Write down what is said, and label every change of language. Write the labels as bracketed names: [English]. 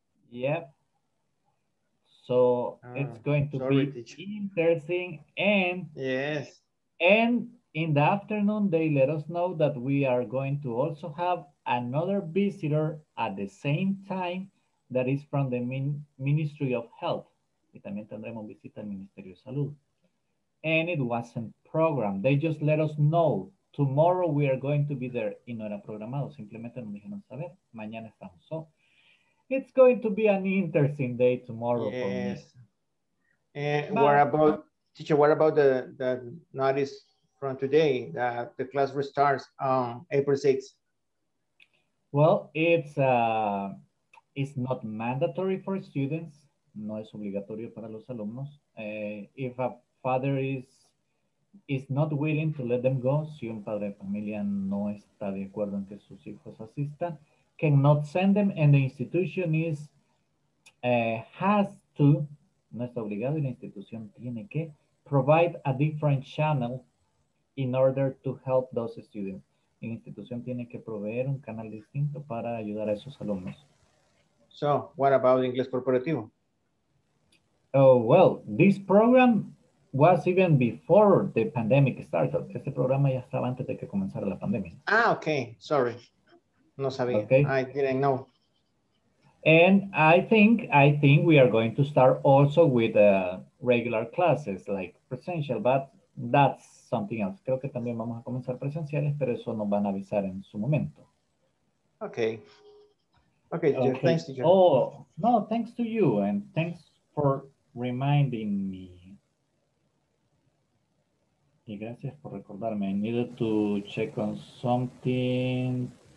[English] Yep. So it's going to be interesting. And yes. And in the afternoon, they let us know that we are going to also have another visitor at the same time that is from the Ministry of Health. [Spanish] Y también tendremos visita al Ministerio de Salud. [English] And it wasn't programmed. They just let us know. Tomorrow we are going to be there. [Spanish] Y no era programado. Simplemente nos dijeron saber. Mañana estamos. [English] So it's going to be an interesting day tomorrow. Yes. For me. What about the notice from today that the class restarts on April 6th? Well, it's not mandatory for students. [Spanish] No es obligatorio para los alumnos. [English] If a father is not willing to let them go, [Spanish] si un padre de familia no está de acuerdo en que sus hijos asistan, [English] cannot send them, and the institution is has to, [Spanish] no está obligado, y la institución tiene que [English] provide a different channel in order to help those students. [Spanish] La institución tiene que proveer un canal distinto para ayudar a esos alumnos. [English] So, what about Inglés Corporativo? Oh, well, this program was even before the pandemic started. [Spanish] Este programa ya estaba antes de que comenzara la pandemia. [English] Ah, okay, sorry. [Spanish] No sabía. [English] Okay. I didn't know. And I think we are going to start also with regular classes, like presential, but that's something else. [Spanish] Creo que también vamos a comenzar presenciales, pero eso nos van a avisar en su momento. [English] Okay. Okay, okay. Thanks, teacher. Oh, no, thanks to you, and thanks for reminding me. [Spanish] Y gracias por recordarme. [English] I needed to check on something.